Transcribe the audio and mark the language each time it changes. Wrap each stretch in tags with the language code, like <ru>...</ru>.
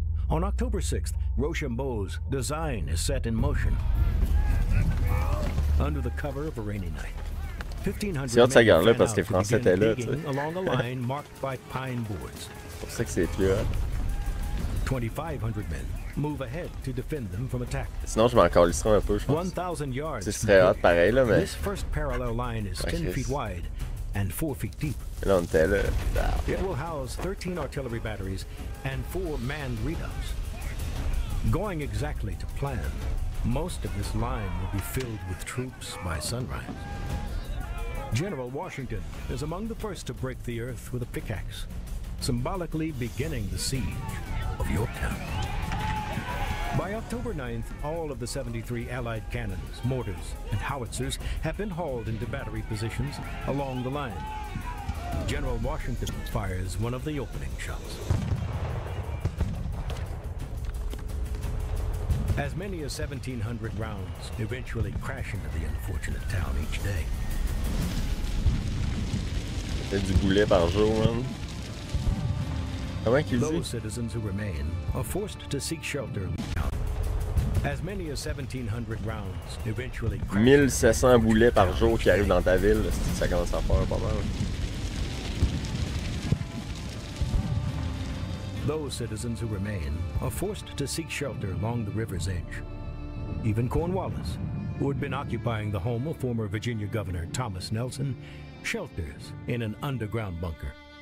<en>On October 6th, Rochambeau's design is set in motion. Under the cover of a rainy night, 1,500 men ran out to begin digging along a line marked by pine boards. 2,500 men move ahead to defend them from attack.</en> <fr>Sinon, je m'encalisserai un peu, je pense.</fr> <en>1,000 yards.</en> <fr>Ce serait hot pareil, là, mais...</fr> <en>This first parallel line is 10 feet wide and 4 feet deep.</en> <fr>Et là, on était là.</fr> <en>It will house 13 artillery batteries and 4 manned redoubts. Going exactly to plan, most of this line will be filled with troops by sunrise. General Washington is among the first to break the earth with a pickaxe, symbolically beginning the siege of Yorktown. By October 9th, all of the 73 Allied cannons, mortars, and howitzers have been hauled into battery positions along the line. General Washington fires one of the opening shots. As many as 1,700 rounds eventually crash into the unfortunate town each day.</en> <fr>C'est du boulet par jour, man. Comment qu'il dit?</fr> <en>Those citizens who remain are forced to seek shelter. As many as 1,700 rounds eventually crash.</en> <fr>1,700 boulets par jour qui arrivent dans ta ville, ça commence à faire pas mal.</fr> <en>Those citizens who remain are forced to seek shelter along the river's edge. Even Cornwallis, who had been occupying the home of former Virginia Governor Thomas Nelson, shelters in an underground bunker.</en>